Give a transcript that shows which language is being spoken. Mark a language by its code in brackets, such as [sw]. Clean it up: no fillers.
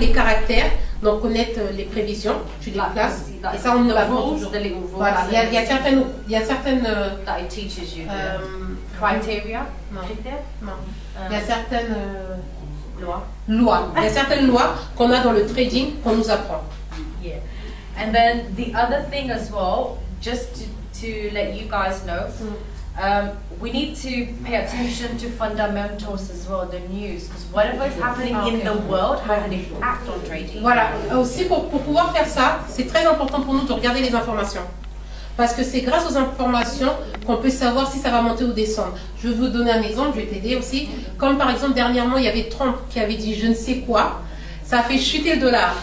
[fr] les caractères, donc connaître les prévisions, tu les places, et ça on ne va pas toujours. Voilà, il y a certaines... [en] That it teaches you. Criteria? [fr] Non. Il y a certaines... Loi. Il y a certaines lois qu'on a dans le trading qu'on nous apprend. [en] Yeah. And then the other thing as well, just to let you guys know, we need to pay attention to fundamentals as well, the news, because whatever is happening in the world has an impact on trading. [fr] Voilà. Aussi pour pouvoir faire ça, c'est très important pour nous de regarder les informations. Parce que c'est grâce aux informations qu'on peut savoir si ça va monter ou descendre. Je vais vous donner un exemple, je vais t'aider aussi. Comme par exemple, dernièrement, il y avait Trump qui avait dit je ne sais quoi. Ça a fait chuter le dollar.